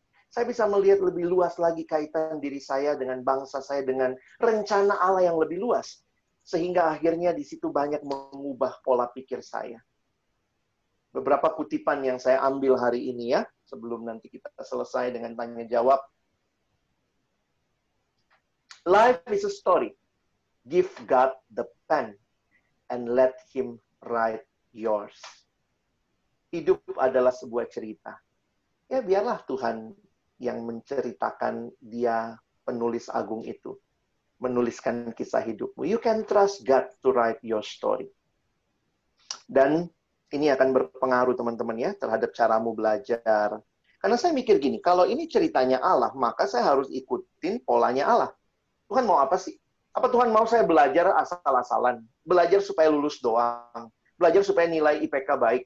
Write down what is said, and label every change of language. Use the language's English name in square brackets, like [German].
[Indonesian] Saya bisa melihat lebih luas lagi kaitan diri saya dengan bangsa saya, dengan rencana Allah yang lebih luas. Sehingga akhirnya di situ banyak mengubah pola pikir saya. Beberapa kutipan yang saya ambil hari ini ya, sebelum nanti kita selesai dengan tanya-jawab. [English] Life is a story. Give God the pen and let him write yours. [Indonesian] Hidup adalah sebuah cerita. Ya biarlah Tuhan yang menceritakan, dia penulis agung itu, menuliskan kisah hidupmu. [English] You can trust God to write your story. [Indonesian] Dan ini akan berpengaruh teman-teman ya, terhadap caramu belajar. Karena saya mikir gini, kalau ini ceritanya Allah, maka saya harus ikutin polanya Allah. Tuhan mau apa sih? Apa Tuhan mau saya belajar asal-asalan? Belajar supaya lulus doang? Belajar supaya nilai IPK baik?